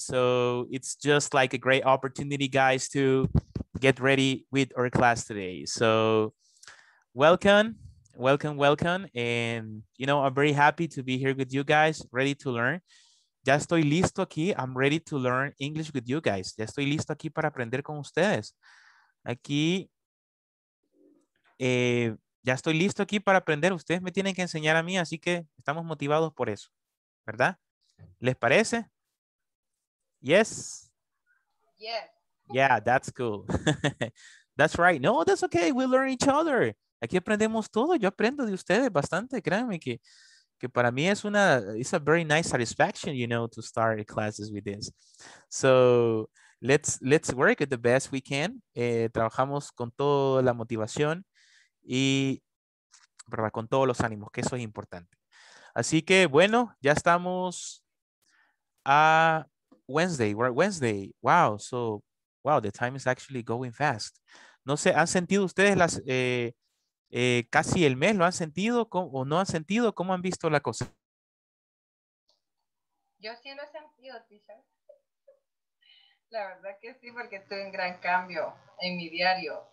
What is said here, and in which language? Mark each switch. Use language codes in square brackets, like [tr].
[en] So it's just like a great opportunity, guys, to get ready with our class today. So welcome, welcome, welcome. And, you know, I'm very happy to be here with you guys, ready to learn. [es] Ya estoy listo aquí. [en] I'm ready to learn English with you guys. [es] Ya estoy listo aquí para aprender con ustedes. Aquí. Ya estoy listo aquí para aprender. Ustedes me tienen que enseñar a mí, así que estamos motivados por eso. ¿Verdad? ¿Les parece? Yes. [en] Yes. Yeah, that's cool. That's right. No, that's okay. We learn each other. [es] Aquí aprendemos todo. Yo aprendo de ustedes bastante. Créanme que para mí es una, [en] it's a very nice satisfaction, you know, to start classes with this. So let's work at the best we can. [es] Trabajamos con toda la motivación. Y, ¿verdad? Con todos los ánimos, que eso es importante. Así que, bueno, ya estamos a Wednesday. [en] We're Wednesday. Wow, so, wow, the time is actually going fast. [es] No sé, ¿han sentido ustedes las casi el mes? ¿Lo han sentido o no han sentido? ¿Cómo han visto la cosa? Yo sí lo he sentido, Tisha. La verdad que sí, porque estoy en gran cambio en mi diario.